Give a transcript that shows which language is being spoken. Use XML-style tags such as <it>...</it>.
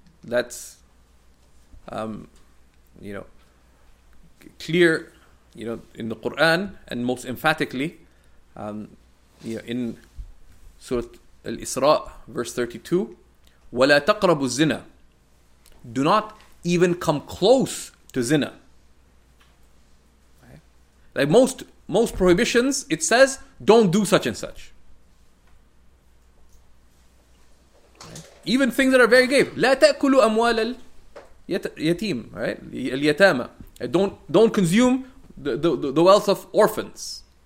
<en>That's, clear, in the Quran, and most emphatically, in Surah Al-Isra, verse 32,</en> <ar>وَلَا تَقْرَبُوا الزِّنَا.</ar> <en>Do not even come close to zina. Like most prohibitions, it says, don't do such and such. Even things that are very grave.</en> <ar>لا تأكلوا أموال اليتيم,</ar> <en>right?</en> <ar>اليتامى.</ar> <en>Don't consume the wealth of orphans.</en>